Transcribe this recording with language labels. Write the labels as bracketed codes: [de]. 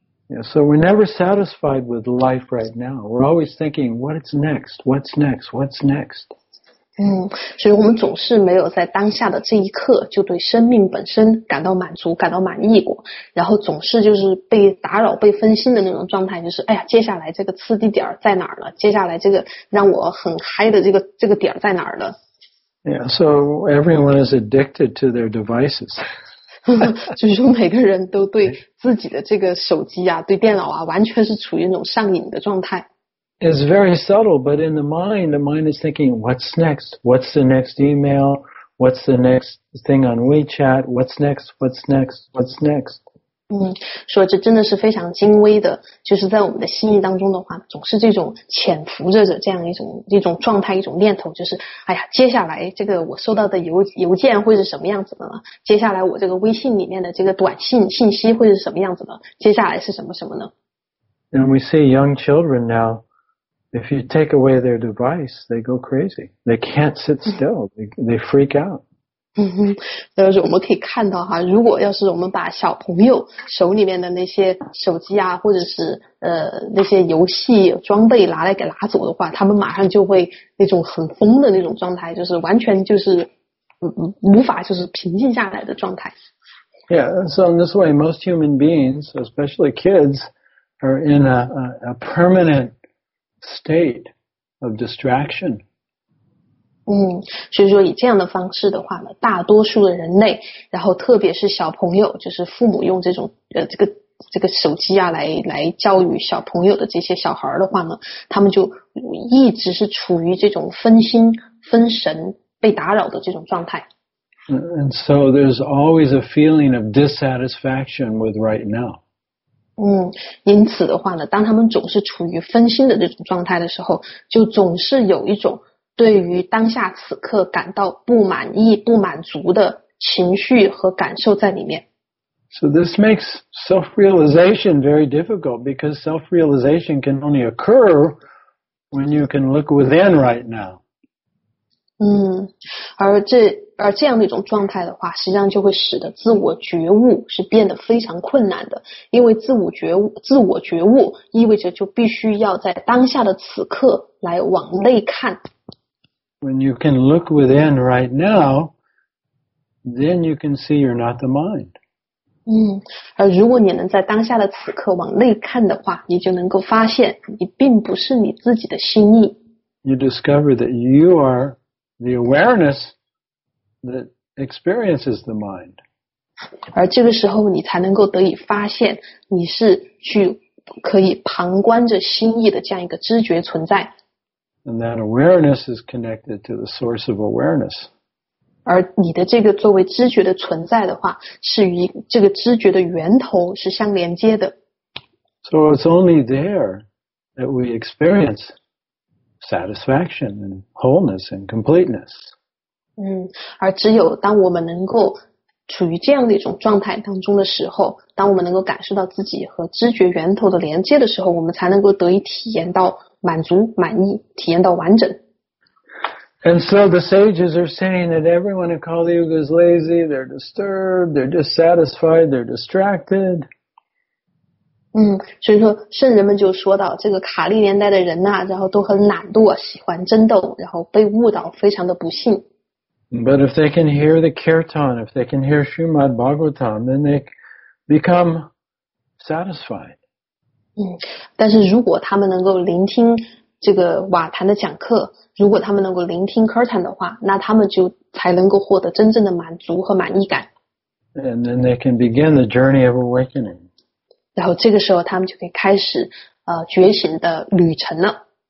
[en] Yeah, so we're never satisfied with life right now. We're always thinking, what's next? What's next? What's next? [zh] 嗯，所以我们总是没有在当下的这一刻就对生命本身感到满足、感到满意过，然后总是就是被打扰、被分心的那种状态，就是哎呀，接下来这个次第点在哪儿了？接下来这个让我很嗨的这个点在哪儿了 [en] ？Yeah, so everyone is addicted to their devices. [zh] 就是说每个人都对自己的这个手机啊、对电脑啊，完全是处于那种上瘾的状态。 [en] It's very subtle, but in the mind is thinking, what's next? What's the next email? What's the next thing on WeChat? What's next? What's next? What's next? [zh] 嗯，所以这真的是非常精微的，就是在我们的心意当中的话，总是这种潜伏着的这样一种状态，一种念头，就是哎呀，接下来这个我收到的邮件会是什么样子的呢？接下来我这个微信里面的这个短信信息会是什么样子的？接下来是什么什么呢？ [en] And we see young children now. If you take away their device, they go crazy. They can't sit still. They freak out. [zh] 就是我们可以看到哈，如果要是我们把小朋友手里面的那些手机啊，或者是那些游戏装备拿来给拿走的话，他们马上就会那种很疯的那种状态，就是完全就是无法就是平静下来的状态。 [en] Yeah, so in this way, most human beings, especially kids, are in a permanent state of distraction. [zh] 所以说以这样的方式的话呢，大多数的人类，然后特别是小朋友，就是父母用这种这个手机啊来教育小朋友的这些小孩的话呢，他们就一直是处于这种分心分神被打扰的这种状态。 [en] And so there's always a feeling of dissatisfaction with right now. [zh] 因此的话呢，当他们总是处于分心的这种状态的时候，就总是有一种对于当下此刻感到不满意、不满足的情绪和感受在里面。 [en] So this makes self-realization very difficult because self-realization can only occur when you can look within right now. [zh] 而这样的一种状态的话，实际上就会使得自我觉悟是变得非常困难的，因为自我觉悟意味着就必须要在当下的此刻来往内看。 [en] When you can look within right now, then you can see you're not the mind. [zh] 而如果你能在当下的此刻往内看的话，你就能够发现你并不是你自己的心意。 [en] You discover that you are the awareness that experiences the mind. [zh] 而这个时候你才能够得以发现你是去可以旁观着心意的这样一个知觉存在。 [en] And that awareness is connected to the source of awareness. [zh] 而你的这个作为知觉的存在的话，是与这个知觉的源头是相连接的。 [en] So it's only there that we experience satisfaction and wholeness and completeness. [zh] 而只有当我们能够处于这样的一种状态当中的时候，当我们能够感受到自己和知觉源头的连接的时候，我们才能够得以体验到满足、满意，体验到完整。 [en] And so the sages are saying that everyone in Kali Yuga is lazy, they're disturbed, they're dissatisfied, they're distracted. [zh] 所以说圣人们就说到这个卡利年代的人啊，然后都很懒惰，喜欢争斗，然后被误导，非常的不幸。 [en] But if they can hear the kirtan, if they can hear Srimad Bhagavatam, then they become satisfied. [zh] 但是如果他们能够聆听这个瓦坛的讲课，如果他们能够聆听 kirtan 的话，那他们就才能够获得真正的满足和满意感。 [en] And then they can begin the journey of awakening. [zh] 然后这个时候他们就可以开始觉醒的旅程了。